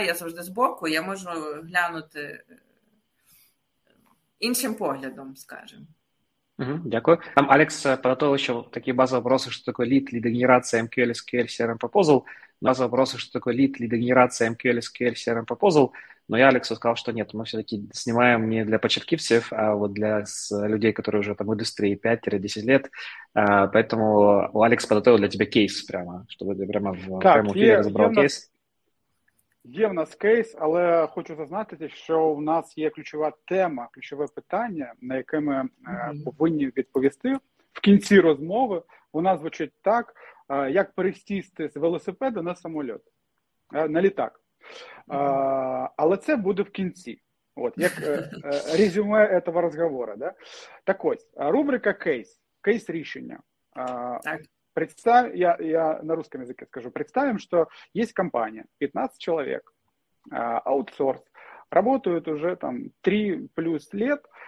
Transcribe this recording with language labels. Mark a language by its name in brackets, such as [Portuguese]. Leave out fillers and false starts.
[Ukrainian] Я завжди з боку, я можу глянути іншим поглядом, скажімо. Дякую. [Russian] Там Алекс подготовил еще такие базовые вопросы, что такое лид, лидогенерация, MQL, SQL, CRM proposal. Базовые вопросы, что такое лид, лидогенерация, MQL, SQL, CRM proposal. Но я Алексу сказал, что нет, мы все-таки снимаем не для початківців, а вот для людей, которые уже там в индустрии 5-10 лет. Поэтому Алекс подготовил для тебя кейс прямо, чтобы ты прямо в прямом эфире разобрал кейс. [Ukrainian] Є в нас кейс, але хочу зазначити, що в нас є ключова тема, ключове питання, на яке ми повинні відповісти в кінці розмови. Вона звучить так, як пересісти з велосипеда на самоліт, на літак. Але це буде в кінці, от, як резюме цього розговору. Да? Так ось, рубрика кейс, кейс рішення. Так. [Russian] Я на русском языке скажу. Представим, что есть компания, 15 человек, аутсорс, работают уже там 3 плюс лет.